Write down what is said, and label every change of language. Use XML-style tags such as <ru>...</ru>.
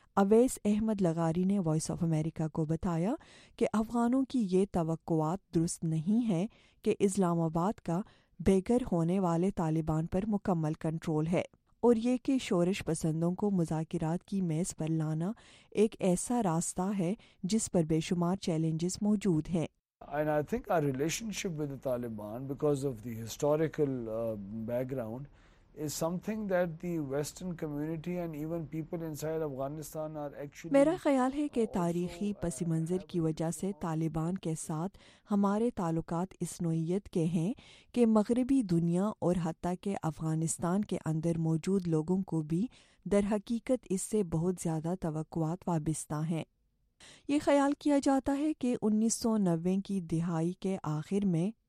<ur>اویس احمد لغاری نے voice of America کو بتایا کہ افغانوں کی یہ توقعات درست نہیں ہیں کہ اسلام آباد کا بے گھر ہونے والے طالبان پر مکمل کنٹرول ہے، اور یہ کہ شورش پسندوں کو مذاکرات کی میز پر لانا ایک ایسا راستہ ہے جس پر بے شمار چیلنجز موجود ہیں۔</ur> <en>And I think our relationship with the Taliban because of the historical background is something that the Western community and even people inside Afghanistan are actually</en> <ur>میرا خیال ہے کہ تاریخی پس منظر کی وجہ سے طالبان کے ساتھ ہمارے تعلقات اس نوعیت کے ہیں کہ مغربی دنیا اور حتیٰ کہ افغانستان کے اندر موجود لوگوں کو بھی در حقیقت اس سے بہت زیادہ توقعات وابستہ ہیں۔ یہ خیال کیا جاتا ہے کہ 1990 کی دہائی کے آخر میں</ur>